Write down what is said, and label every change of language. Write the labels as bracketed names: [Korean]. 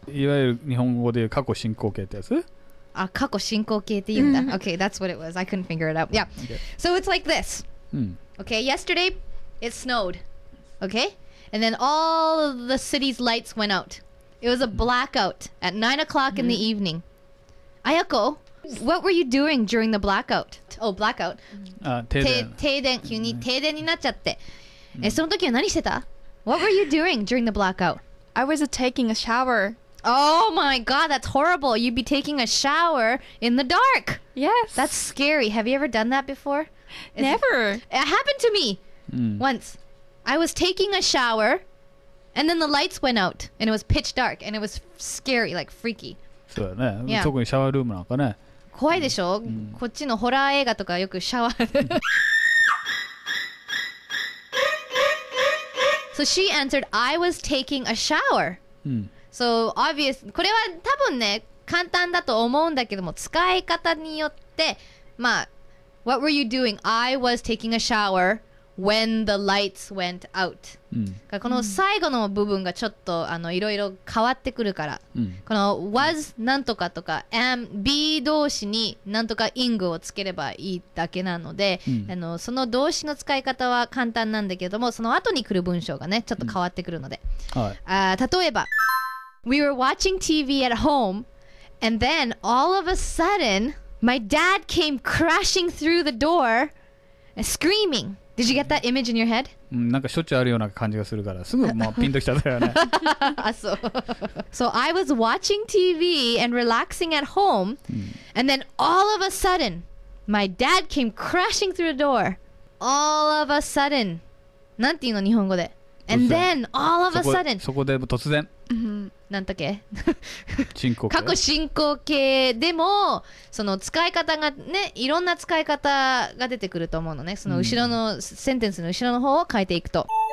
[Japanese] いわゆる日本語で過去進行形ってやつ、あ、過去進行形って言うんだ。 [English] Okay, that's what it was. I couldn't figure it out. Yeah. So it's like this. Okay, yesterday it snowed. Okay? And then all of the city's lights went out. It was a blackout at 9 o'clock in the evening. Ayako, what were you doing during the blackout? Oh, blackout. [Japanese] Teiden. 急に停電になっちゃって。え、その時は何してた? [English] What were you doing during the blackout? I was taking a shower. Oh my god, that's horrible. You'd be taking a shower in the dark. Yes. That's scary. Have you ever done that before? Never. It happened to me once. I was taking a shower and then the lights went out and it was pitch dark and it was scary, like freaky. [Japanese] そうだね。Yeah. 特にシャワールームなんかね。怖いでしょ? こっちのホラー映画とかよくシャワー。 [English] So she answered, I was taking a shower. So obvious、 [Japanese] これは多分ね、簡単だと思うんだけども、使い方によって、まあ、 [English] What were you doing? I was taking a shower when the lights went out.、 [Japanese] この最後の部分がちょっとあのいろいろ変わってくるから、この was なんとかとか、am be 動詞になんとか ing をつければいいだけなので、あの、その動詞の使い方は簡単なんだけども、その後に来る文章がね、ちょっと変わってくるので。はい、 [English] 例えば、We were watching TV at home, and then all of a sudden, my dad came crashing through the door, screaming. Did you get that image in your head? [Japanese] なんかしょっちゅうあるような感じがするから、すぐもうピンときちゃったよね。あ、そう。 [English] So I was watching TV and relaxing at home, and then all of a sudden, my dad came crashing through the door. All of a sudden. [Japanese] なんていうの日本語で。 [English] And then, all of a sudden. [Japanese] そこで突然。なんだっけ進行形過去進行形でもその使い方がねいろんな使い方が出てくると思うのねその後ろの、センテンスの後ろの方を変えていくと